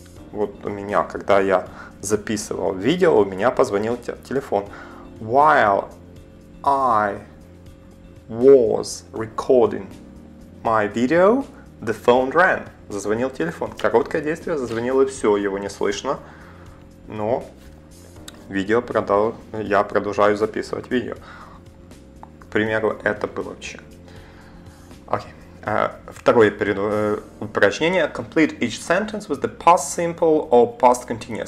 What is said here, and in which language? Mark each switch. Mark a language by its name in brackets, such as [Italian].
[Russian] Вот у меня, когда я записывал видео, у меня позвонил телефон. [English] While I was recording my video, the phone rang. [Russian] Зазвонил телефон. Короткое действие, зазвонил и все, его не слышно. Но видео я продолжаю записывать видео. К примеру, это было вообще. Окей. Второе упражнение. [English] Complete each sentence with the past simple or past continuous.